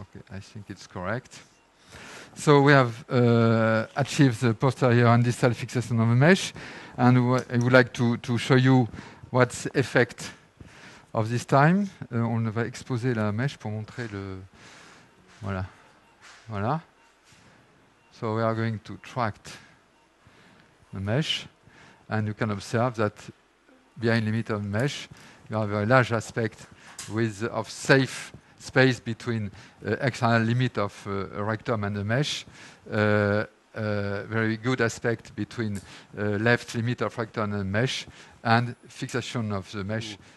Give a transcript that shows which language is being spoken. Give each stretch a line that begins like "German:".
English: I think it's correct. So we have achieved the posterior and distal fixation of a mesh, and I would like to show you what's the effect of this time.
French: On va exposer la mèche pour montrer le... Voilà. Voilà.
English: So we are going to track the mesh, and you can observe that behind limit of mesh, you have a very large aspect with of safe space between external limit of rectum and the mesh, very good aspect between left limit of rectum and mesh, and fixation of the mesh.